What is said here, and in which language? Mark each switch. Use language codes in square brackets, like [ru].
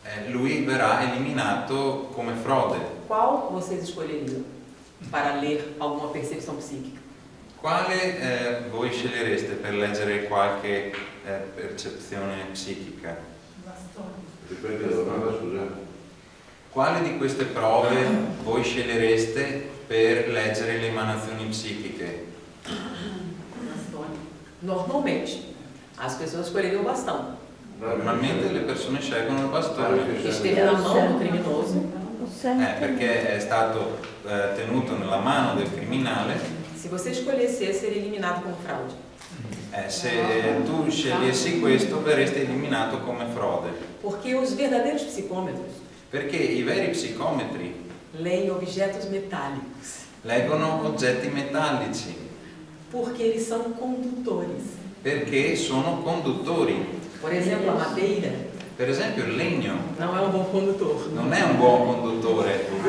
[it] Lui verrà eliminato come frode. [pt] Qual vocês escolheriam para ler alguma percepção psíquica? [it] Quale voi scegliereste per leggere qualche percezione psichica? Ripeto la domanda, scusa. Quale di queste prove voi scegliereste per leggere le emanazioni psichiche? [pt] Normalmente, as pessoas escolheriam o bastão. [it] Normalmente le persone scelgono il bastone. [pt] Che esteve na mão do criminoso. [it] Perché è stato tenuto nella mano del criminale. [pt] Se você escolhesse ser eliminado como fraude. [it] Se tu scegliessi questo, verresti eliminato come frode. [pt] Porque os verdadeiros psicômetros. [it] Perché i veri psicometri. [pt] Leem objetos metálicos. [it] Leggono oggetti metallici. [pt] Porque eles são condutores. [it] Perché sono conduttori. [pt] Por exemplo, a madeira. [it] Per esempio, il legno. [pt] Não é um bom condutor. [it] Non è un buon conduttore.